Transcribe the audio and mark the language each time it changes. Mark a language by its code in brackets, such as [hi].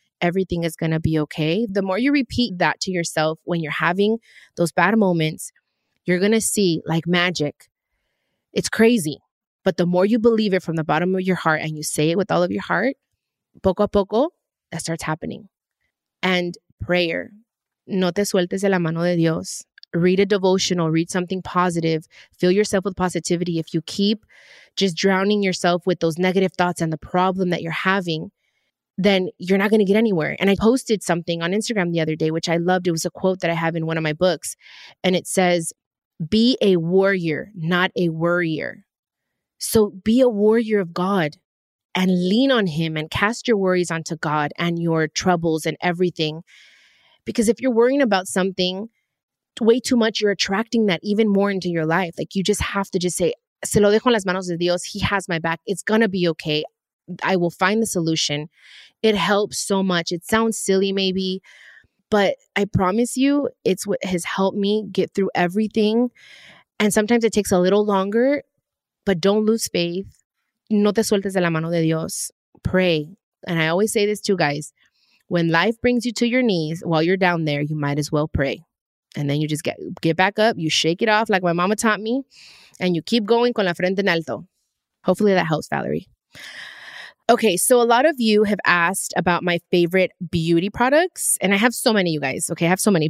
[en] everything is going to be okay. The more you repeat that to yourself when you're having those bad moments, you're going to see like magic. It's crazy. But the more you believe it from the bottom of your heart and you say it with all of your heart, [es] poco a poco, [en] that starts happening. And prayer. [es] No te sueltes de la mano de Dios. [en] Read a devotional, read something positive, fill yourself with positivity. If you keep just drowning yourself with those negative thoughts and the problem that you're having, then you're not going to get anywhere. And I posted something on Instagram the other day, which I loved. It was a quote that I have in one of my books. And it says, be a warrior, not a worrier. So be a warrior of God and lean on Him and cast your worries onto God and your troubles and everything. Because if you're worrying about something way too much, you're attracting that even more into your life. Like you just have to just say, [es] se lo dejo en las manos de Dios. [en] He has my back. It's going to be okay. I will find the solution. It helps so much. It sounds silly maybe, but I promise you it's what has helped me get through everything. And sometimes it takes a little longer, but don't lose faith. [es] No te sueltes de la mano de Dios. [en] Pray. And I always say this too, guys. When life brings you to your knees while you're down there, you might as well pray. And then you just get back up, you shake it off like my mama taught me, and you keep going [es] con la frente en alto. [en] Hopefully that helps, Valerie. Okay, so a lot of you have asked about my favorite beauty products, and I have so many, you guys. Okay, I have so many.